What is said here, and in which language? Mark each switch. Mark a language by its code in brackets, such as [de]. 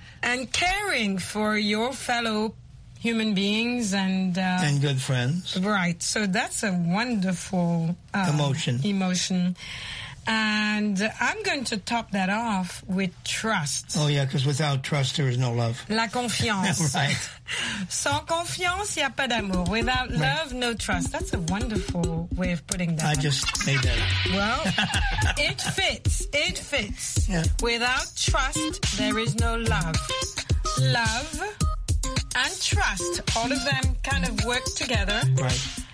[en] And caring for your fellow human beings and good friends. Right. So that's a wonderful emotion. And I'm going to top that off with trust. Oh, yeah, because without trust, there is no love. [fr] La confiance. [en] right. [fr] Sans confiance, il n'y a pas d'amour. [en] Without love, no trust. That's a wonderful way of putting that. I just made that up. Well, it fits. It fits. Yeah. Without trust, there is no love. Love... And trust, all of them kind of work together right.